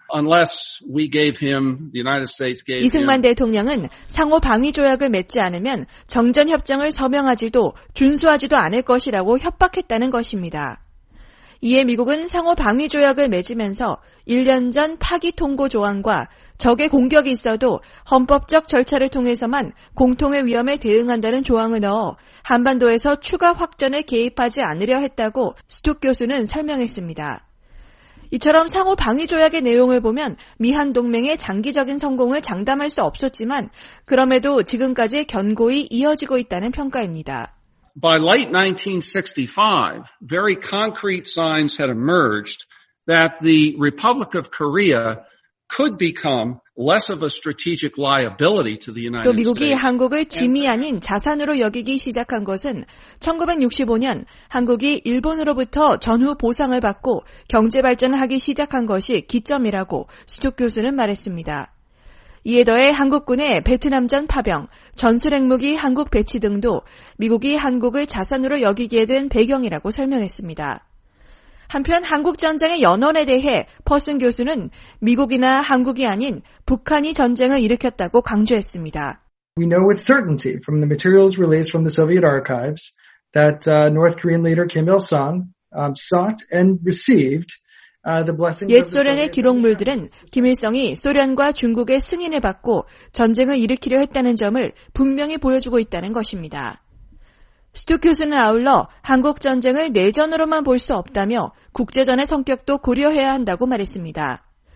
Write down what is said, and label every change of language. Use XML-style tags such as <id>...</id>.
<en>Unless we gave him, the United States gave him.</en> <ko>이승만 대통령은 상호 방위 조약을 맺지 않으면 정전 협정을 서명하지도 준수하지도 않을 것이라고 협박했다는 것입니다. 이에 미국은 상호 방위 조약을 맺으면서 1년 전 파기 통고 조항과 적의 공격이 있어도 헌법적 절차를 통해서만 공통의 위험에 대응한다는 조항을 넣어 한반도에서 추가 확전에 개입하지 않으려 했다고 스툭 교수는 설명했습니다. 이처럼 상호 방위 조약의 내용을 보면 미한 동맹의 장기적인 성공을 장담할 수 없었지만 그럼에도 지금까지 견고히 이어지고 있다는 평가입니다.</ko> <en>By late 1965, very concrete signs had emerged that the Republic of Korea could become less of a strategic liability to the United States.</en> <ko>또 미국이 한국을 짐이 아닌 자산으로 여기기 시작한 것은 1965년 한국이 일본으로부터 전후 보상을 받고 경제 발전을 하기 시작한 것이 기점이라고 수족 교수는 말했습니다. 이에 더해 한국군의 베트남전 파병, 전술 핵무기 한국 배치 등도 미국이 한국을 자산으로 여기게 된 배경이라고 설명했습니다. 한편 한국 전쟁의 연원에 대해 퍼슨 교수는 미국이나 한국이 아닌 북한이 전쟁을 일으켰다고 강조했습니다.</ko> <en>We know with certainty from the materials released from the Soviet archives that North Korean leader Kim Il-sung sought and received</en> <ko>옛 소련의 기록물들은 김일성이 소련과 중국의 승인을 받고 전쟁을 일으키려 했다는 점을 분명히 보여주고 있다는 것입니다. 스툭 교수는 아울러 한국 전쟁을 내전으로만 볼 수 없다며 국제전의 성격도 고려해야 한다고 말했습니다.</ko>